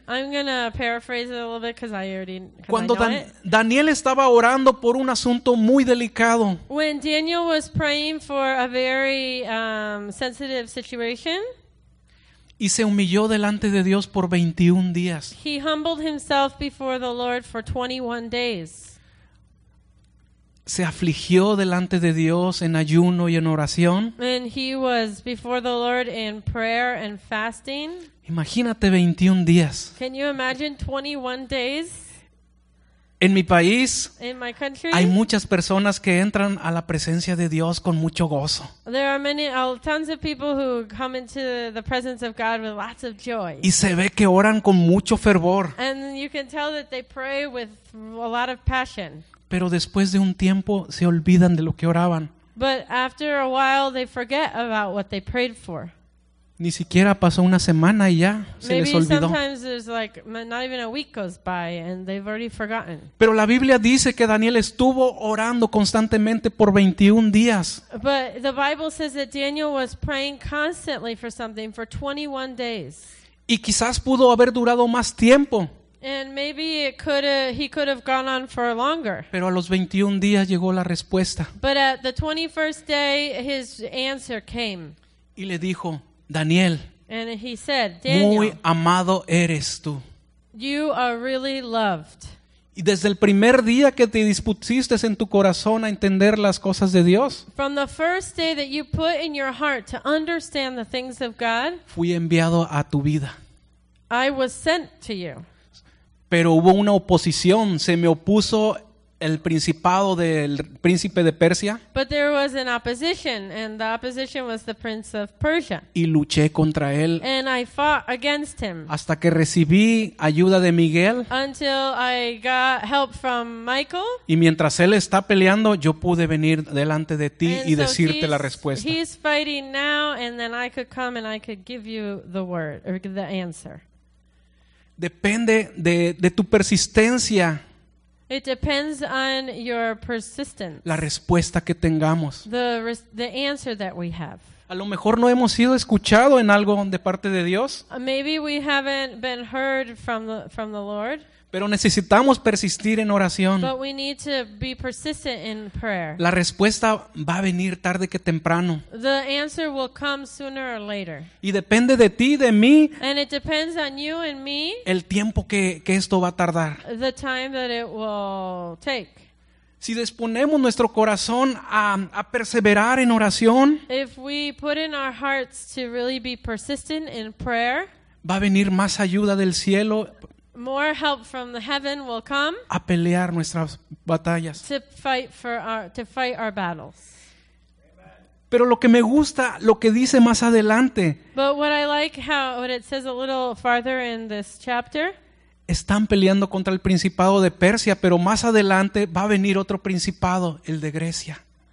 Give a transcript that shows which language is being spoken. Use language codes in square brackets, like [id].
[en] I'm going to paraphrase it a little bit because I already know it. [es] Cuando Daniel estaba orando por un asunto muy delicado. [en] When Daniel was praying for a very sensitive situation. [es] Y se humilló delante de Dios por 21 días. [en] He humbled himself before the Lord for 21 days. [es] Se afligió delante de Dios en ayuno y en oración. [en] And he was before the Lord in prayer and fasting. [es] Imagínate 21 días. [en] Can you imagine 21 days? [es] En mi país, [en] in my country, [es] hay muchas personas que entran a la presencia de Dios con mucho gozo. [en] There are many, tons of people who come into the presence of God with lots of joy. [es] Y se ve que oran con mucho fervor. [en] And you can tell that they pray with a lot of passion. [es] Pero después de un tiempo se olvidan de lo que oraban. [en] But after a while they forget about what they prayed for. [es] Ni siquiera pasó una semana y ya se [en] Maybe [es] les olvidó. [en] Sometimes there's like not even a week goes by and they've already forgotten. [es] Pero la Biblia dice que Daniel estuvo orando constantemente por 21 días. [en] But the Bible says that Daniel was praying constantly for something for 21 days. [es] Y quizás pudo haber durado más tiempo. [en] And maybe he could have gone on for longer. [es] Pero a los 21 días llegó la respuesta. [en] But at the 21st day his answer came. [es] Y le dijo, Daniel, [en] and he said, Daniel, [es] muy amado eres tú. [en] You are really loved. [es] Y desde el primer día que te dispusiste en tu corazón a entender las cosas de Dios, [en] from the first day that you put in your heart to understand the things of God, [es] fui enviado a tu vida. [en] I was sent to you. [es] Pero hubo una oposición, se me opuso el principado del príncipe de Persia. [en] But there was an opposition, and the opposition was the prince of Persia. [es] Y luché contra él. [en] And I fought against him. [es] Hasta que recibí ayuda de Miguel. [en] Until I got help from Michael. [es] Y mientras él está peleando, yo pude venir delante de ti y decirte la respuesta. [en] He's fighting now, and then I could come and I could give you the word or the answer. [es] Depende de tu persistencia. [en] It depends on your persistence. [es] La respuesta que tengamos. [en] The answer that we have. [es] A lo mejor no hemos sido escuchado en algo de parte de Dios. [en] Maybe we haven't been heard from the Lord. [es] Pero necesitamos persistir en oración. [en] But we need to be persistent in prayer. [es] La respuesta va a venir tarde que temprano. [en] The answer will come sooner or later. [es] Y depende de ti, de mí. [en] And it depends on you and me. [es] El tiempo que esto va a tardar. [en] The time that it will take. [es] Si disponemos nuestro corazón a perseverar en oración, [en] if we put in our hearts to really be persistent in prayer, [es] va a venir más ayuda del cielo. [en] More help from the heaven will come. [es] A pelear nuestras batallas. [en] To fight our battles. [es] Pero lo que me gusta, lo que dice más adelante. [en] But what I like how what it says a little farther in this chapter. [es] Están peleando contra el principado de Persia, pero más adelante va a venir otro principado, el de Grecia.